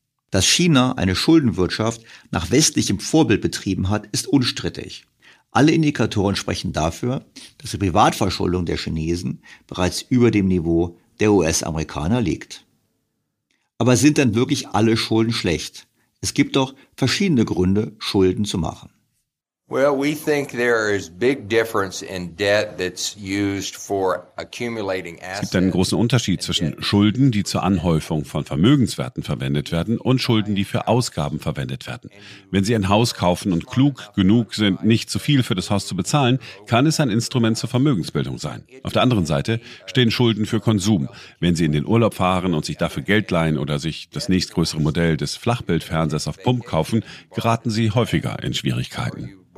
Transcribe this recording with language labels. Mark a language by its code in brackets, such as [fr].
[de] Dass China eine Schuldenwirtschaft nach westlichem Vorbild betrieben hat, ist unstrittig. Alle Indikatoren sprechen dafür, dass die Privatverschuldung der Chinesen bereits über dem Niveau der US-Amerikaner liegt. Aber sind dann wirklich alle Schulden schlecht? Es gibt doch verschiedene Gründe, Schulden zu machen. [en] Well, we think there is big difference in debt that's used for accumulating assets. [de] Es gibt einen großen Unterschied zwischen Schulden, die zur Anhäufung von Vermögenswerten verwendet werden, und Schulden, die für Ausgaben verwendet werden. Wenn Sie ein Haus kaufen und klug genug sind, nicht zu viel für das Haus zu bezahlen, kann es ein Instrument zur Vermögensbildung sein. Auf der anderen Seite stehen Schulden für Konsum. Wenn Sie in den Urlaub fahren und sich dafür Geld leihen oder sich das nächstgrößere Modell des Flachbildfernsehers auf Pump kaufen, geraten Sie häufiger in Schwierigkeiten.